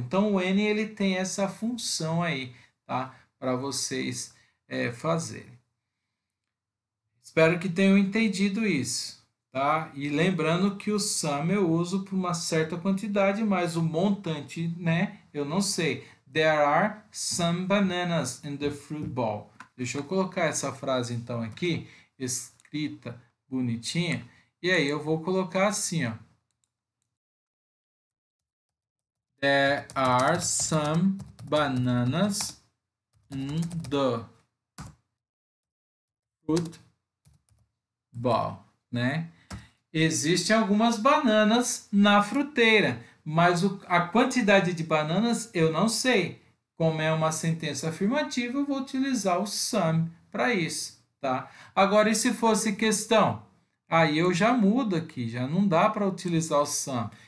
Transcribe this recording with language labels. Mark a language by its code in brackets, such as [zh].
[pt] Então o N ele tem essa função aí, tá, para vocês fazerem. Espero que tenham entendido isso, tá? E lembrando que o sum eu uso para uma certa quantidade, mas o montante, né, eu não sei. [en] There are some bananas in the fruit bowl. [pt] Deixa eu colocar essa frase então aqui escrita bonitinha. E aí eu vou colocar assim, ó: [en] There are some bananas in the fruit bowl, [pt] né? Existem algumas bananas na fruteira, mas a quantidade de bananas eu não sei. Como é uma sentença afirmativa, eu vou utilizar o some para isso, tá? Agora, e se fosse questão? Aí eu já mudo aqui, já não dá para utilizar o sum.